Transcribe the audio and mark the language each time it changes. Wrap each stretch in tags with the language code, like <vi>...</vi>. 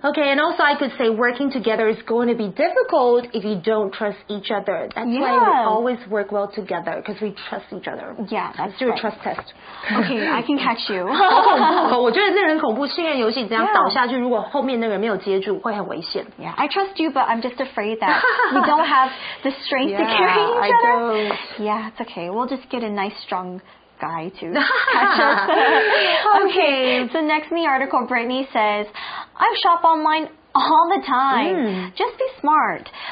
<en>OK and also I could say Working together is going to be difficult If you don't trust each other That's why we always work well together Because we trust each other Yeah that's Let's do a trust test OK I can catch you</en> <zh>好恐怖我觉得那很恐怖信任游戏这样倒下去如果后面那个人没有接住会很危险</zh> <en>Yeah I trust you but I'm just afraid that we don'thave the strength to carry each other. Yeah, it's okay. We'll just get a nice strong guy to catch us. Okay, so next in the article, Brittany says, I shop online all the time. Just be smart.</en>